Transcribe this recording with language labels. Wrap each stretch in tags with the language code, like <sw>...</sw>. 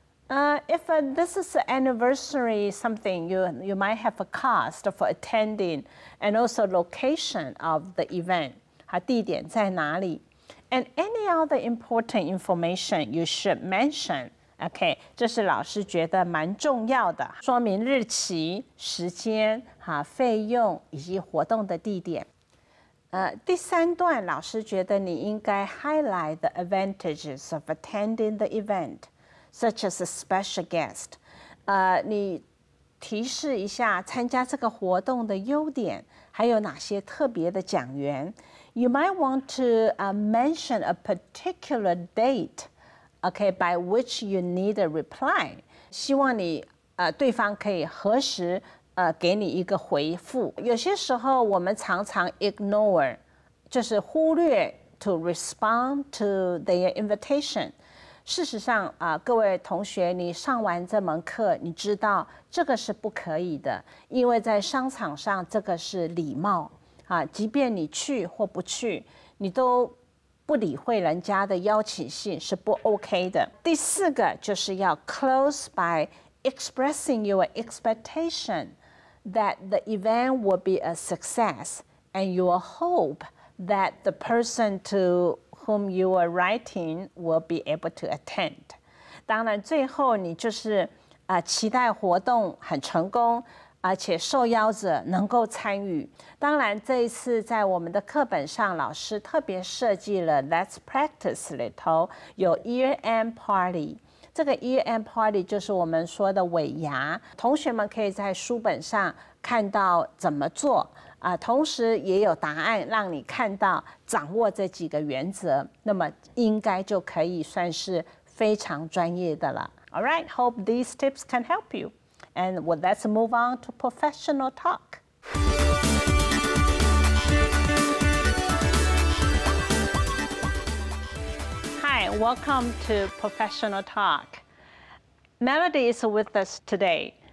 <en>If this is an anniversary something, you might have a cost for attending, and also location of the event,</en> <zh>地点在哪里</zh> <en>and any other important information you should mention.</en> <zh>Okay, 这是老师觉得蛮重要的，说明日期、时间、费用以及活动的地点。第三段，老师觉得你应该</zh> <en>highlight the advantages of attending the event.Such as a special guest, 你</en> <zh>提示一下参加这个活动的优点，还有哪些特别的讲员。</zh> <en>You might want to mention a particular date, okay, by which you need a reply.</en> <zh>希望你对方可以核实给你一个回复。有些时候我们常常 ignore, 就是忽略</zh> <en>to respond to their invitation.</en> <zh>事实上各位同学，你上完这门课，你知道这个是不可以的，因为在商场上这个是礼貌啊，即便你去或不去，你都不理会人家的邀请信是不 OK 的。</zh> <en>第四个就是要 close by expressing your expectation that the event will be a success and your hope that the person to whom you are writing will be able to attend.</en> <zh>当然最后你就是期待活动很成功，而且受邀者能够参与。当然这一次在我们的课本上，老师特别设计了 Let's Practice 里头有 Year-End Party。这个 Year-End Party 就是我们说的尾牙，同学们可以在书本上看到怎么做同时也有答案让你看到掌握这几个原则，那么应该就可以算是非常专业的了。</zh> <en>Alright, hope these tips can help you. And well, let's move on to professional talk. Hi, welcome to professional talk. Melody is with us today.</en>